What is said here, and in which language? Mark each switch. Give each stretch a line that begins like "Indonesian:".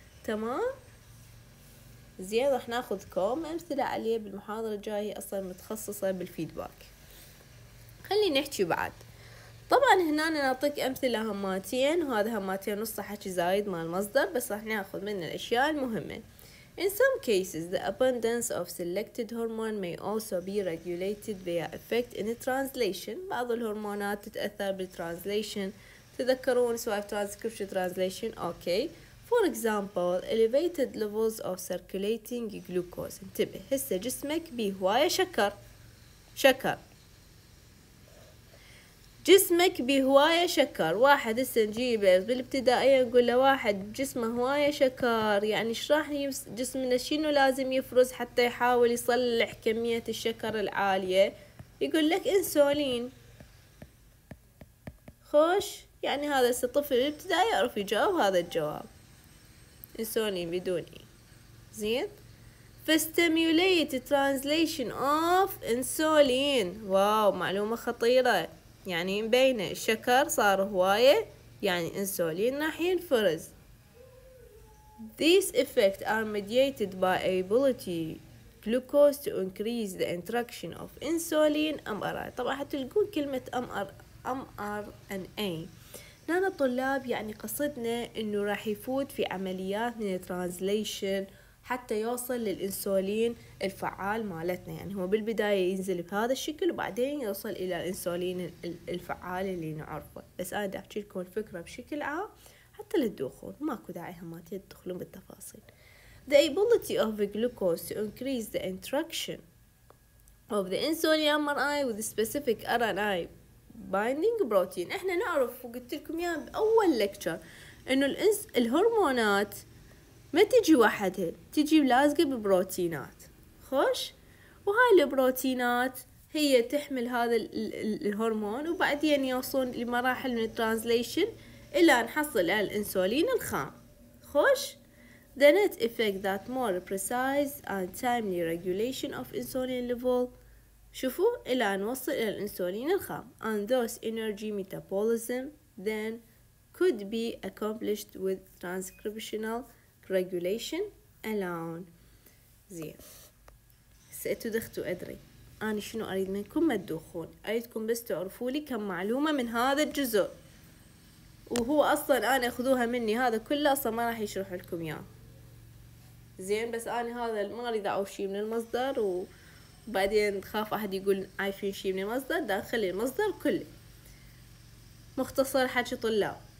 Arabic: تمام؟ زيادة راح ناخذكم امثلة عليه بالمحاضرة الجاية، اصلا متخصصة بالفيدباك. خلي نحكي بعد. طبعا هنا نعطيك امثلة هماتين، وهذا هماتين نص حكي زايد مال مصدر، بس راح ناخذ من الاشياء المهمة.
English: In some cases, the abundance of selected hormone may also be regulated via effect in the translation.
Arabic: بعض الهرمونات تتأثر بالtranslation. تذكرون سوالف
English: transcription translation؟ Okay. For example, elevated levels of circulating glucose.
Arabic: انتبه، هسه جسمك بيه هواية شكر. شكر. جسمك بيه هواية شكر. واحد هسه نجيبه بالابتدائية نقول له واحد جسمه هواية شكر، يعني ايش راح جسمنا شنو لازم يفرز حتى يحاول يصلح كمية الشكر العالية؟ يقول لك انسولين. خوش، يعني هذا هسه طفل بالابتدائية يعرف يجاوب هذا الجواب، انسولين بدوني. زين،
English: فستيمولييت translation of insulin.
Arabic: واو، معلومة خطيرة، يعني بين الشكر صار هواية يعني انسولين راح ينفرز.
English: These effects are mediated by ability glucose to increase the interaction of insulin mRNA.
Arabic: طبعا حتلقون كلمة mRNA نانا طلاب، يعني قصدنا انه راح يفوت في عمليات من الترانزليشن حتى يوصل للإنسولين الفعال مالتنا. يعني هو بالبداية ينزل بهذا الشكل وبعدين يوصل إلى الإنسولين الفعال اللي نعرفه، بس أنا دا أحكي لكم الفكرة بشكل عام حتى للدخول، ماكو داعي هما تدخلون بالتفاصيل.
English: The ability of the glucose to increase the interaction of the insulin mRNA with the specific RNA binding protein.
Arabic: إحنا نعرف وقلت لكم يا بأول لكتشر إنه الهرمونات ما تجي واحدة، تجي لازقة ببروتينات. خوش، وهاي البروتينات هي تحمل هذا الهرمون، وبعدين يوصلون لمراحل من الترانزليشن إلى نحصل على الإنسولين الخام. خوش،
English: the net effect that more precise and timely regulation of insulin level.
Arabic: شوفوا، إلى نوصل إلى الإنسولين الخام
English: and thus energy metabolism then could be accomplished with transcriptional regulation alone.
Arabic: زين سألتوا دختوا أدري أنا شنو أريد منكم؟ ما تدخون، أريدكم بس تعرفوا لي كم معلومة من هذا الجزء، وهو أصلا أنا أخذوها مني هذا كله أصلا ما راح يشرح لكم إياه. زين بس أنا هذا ما أريد أعرف شيء من المصدر، وبعدين خاف أحد يقول عايفين شيء من المصدر، ده خلي المصدر كله مختصر حكي طلاب.